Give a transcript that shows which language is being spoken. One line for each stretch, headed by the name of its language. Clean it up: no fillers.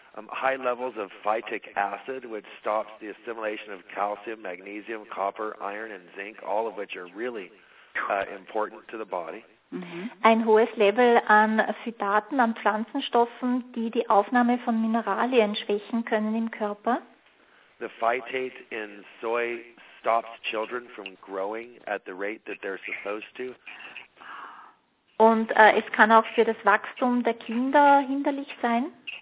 English: high levels of phytic acid, which stops the assimilation of calcium, magnesium, copper, iron and zinc, all of which are really important to the body.
German: Ein hohes Level an Phytaten, an Pflanzenstoffen, die die Aufnahme von Mineralien schwächen können im Körper.
English: The phytate in soy stops children from growing at the rate that they're supposed to.
German: Und es kann auch für das Wachstum der Kinder hinderlich sein.